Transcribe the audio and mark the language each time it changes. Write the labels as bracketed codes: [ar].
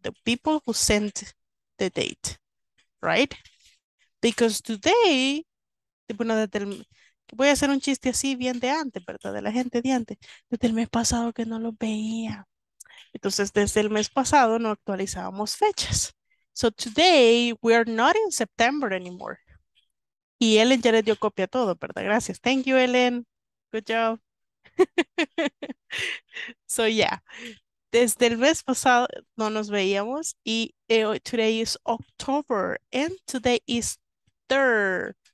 [en] The people who sent the date. Right? Because today, [es] bueno, voy a hacer un chiste así bien de antes, ¿verdad? De la gente de antes. Desde el mes pasado que no lo veía. Entonces, desde el mes pasado no actualizábamos fechas. [en] So today, we are not in September anymore. [es] Y Ellen ya le dio copia a todo, ¿verdad? [en] Gracias. Thank you, Ellen. Good job. So yeah. [es] Desde el mes pasado no nos veíamos. [en] Y today is October. And today is 3rd.